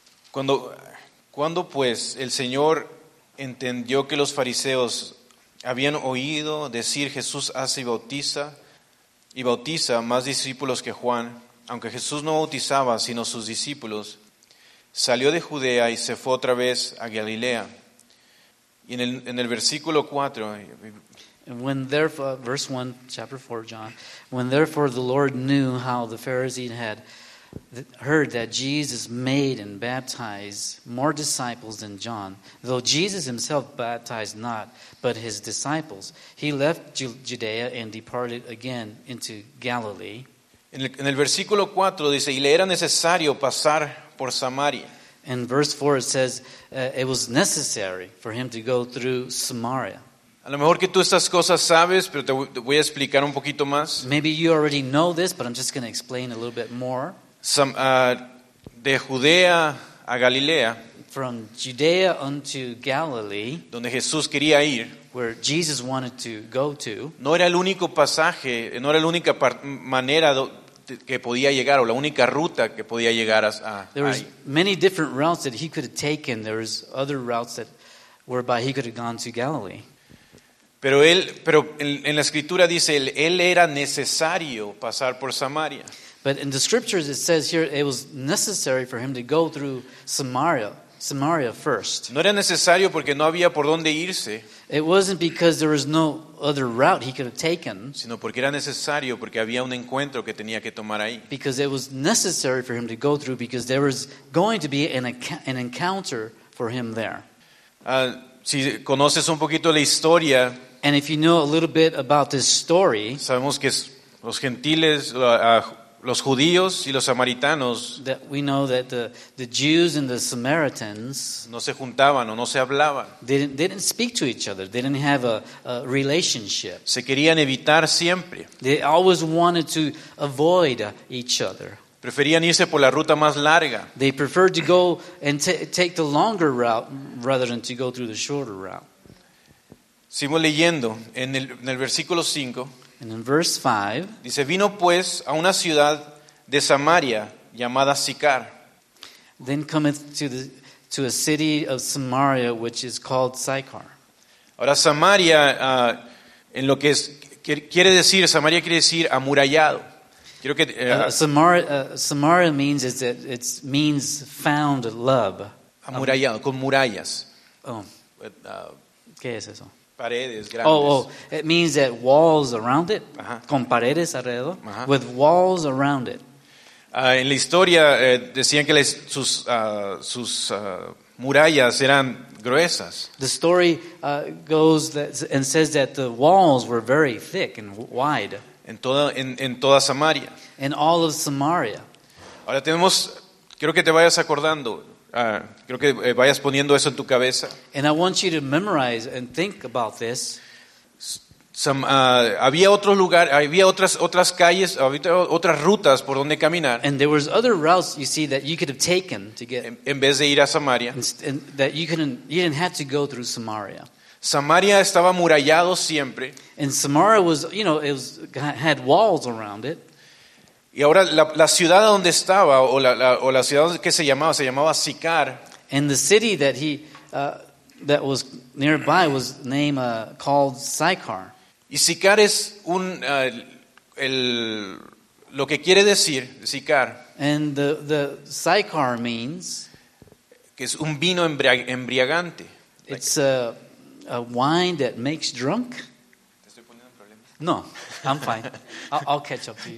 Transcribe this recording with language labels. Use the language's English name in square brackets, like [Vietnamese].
[Spanish] Cuando pues el Señor entendió que los fariseos habían oído decir Jesús hace y bautiza más discípulos que Juan, aunque Jesús no bautizaba sino sus discípulos, salió de Judea y se fue otra vez a Galilea. Y en el versículo 4, [English] when therefore verse 1 chapter 4 John, when therefore the Lord knew how the Pharisees had heard that Jesus made and baptized more disciples than John, though Jesus himself baptized not, but his disciples, he left Judea and departed again into Galilee. [Spanish] En el versículo 4 dice, y le era necesario pasar por Samaria. [English] In verse 4 it says, it was necessary for him to go through Samaria. [Spanish] A lo mejor que tú estas cosas sabes, pero te voy a explicar un poquito más. [English] Maybe you already know this, but I'm just going to explain a little bit more. [Spanish] De Judea a Galilea, [English] from Judea unto Galilee, [Spanish] donde Jesús quería ir, [English] where Jesus wanted to go to, [Spanish] no era el único pasaje, no era la única manera que podía llegar o la única ruta que podía llegar a [English] there was many different routes that he could have taken. There was other routes that whereby he could have gone to Galilee. [Spanish] Pero en la escritura dice él era necesario pasar por Samaria. [English] But in the scriptures it says here it was necessary for him to go through Samaria first. [Spanish] No era necesario porque no había por dónde irse. [English] It wasn't because there was no other route he could have taken. [Spanish] Sino porque era necesario porque había un encuentro que tenía que tomar ahí. [English] Because it was necessary for him to go through because there was going to be an encounter for him there. [Spanish] Si conoces un poquito la historia, [English] and if you know a little bit about this story, [Spanish] sabemos que los gentiles los judíos y los samaritanos no se juntaban o no se hablaban. [English] Didn't speak to each other. Didn't have a relationship. [Spanish] Se querían evitar siempre. [English] They always wanted to avoid each other. [Spanish] Preferían irse por la ruta más larga. [English] They preferred to go and take the longer route rather than to go through the shorter route. [Spanish] Sigo leyendo en el versículo 5. [English] And in verse 5, [Spanish] dice, vino pues a una ciudad de Samaria llamada Sicar. [English] Then cometh to a city of Samaria which is called Sychar. [Spanish] Ahora Samaria, en lo que es, quiere decir, Samaria quiere decir amurallado. Quiero que [English] Samaria means is that it means found love. [Spanish] Amurallado, con murallas. Oh. ¿Qué es eso? Paredes grandes. [English] Oh, it means that walls around it. Ajá. [Spanish] Con paredes alrededor. [English] Ajá. With walls around it. [Spanish] En la historia decían que sus murallas eran gruesas. [English] The story goes that, and says that the walls were very thick and wide. [Spanish] En toda Samaria. [English] In all of Samaria. [Spanish] Ahora tenemos, quiero que te vayas acordando. Creo que vayas poniendo eso en tu cabeza. [English] And I want you to memorize and think about this. [Spanish] Había otros lugares, había otras calles, había otras rutas por donde caminar. [English] And there was other routes you see that you could have taken to get. [Spanish] En vez de ir a Samaria. [English] And that you didn't have to go through Samaria. [Spanish] Samaria estaba amurallado siempre. [English] And Samaria was, you know, it was had walls around it. [Spanish] Y ahora la ciudad donde estaba o la ciudad que se llamaba Sicar. [English] And the city that he that was nearby was named called Sychar. [Spanish] Y Sicar es un el lo que quiere decir Sicar. [English] And the Sychar means [Spanish] que es un vino embriagante. [English] It's a wine that makes drunk. No, I'm fine. I'll catch up to you.